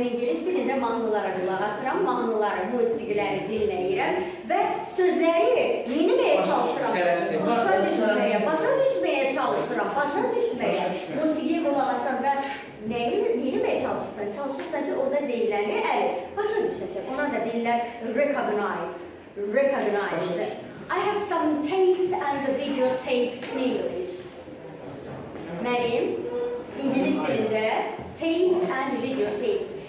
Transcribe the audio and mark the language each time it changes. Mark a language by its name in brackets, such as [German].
[Azerbaijani] İngiliz dilinde mahnılara kulak asıram, mahnıları, musiqiləri dinləyirəm ve sözleri dinləməyə çalışıram. Başa düşməyə çalışıram. Musiqiyi kulak asıram ve neyi dinləməyə çalışırsan, çalışırsan ki orada deyiləni əl. Başa düşəsək, ona da deyirlər recognize. [English] I have some tapes and the video tapes in English. [Azerbaijani] Mənim İngiliz dilində [English] tapes and video tapes.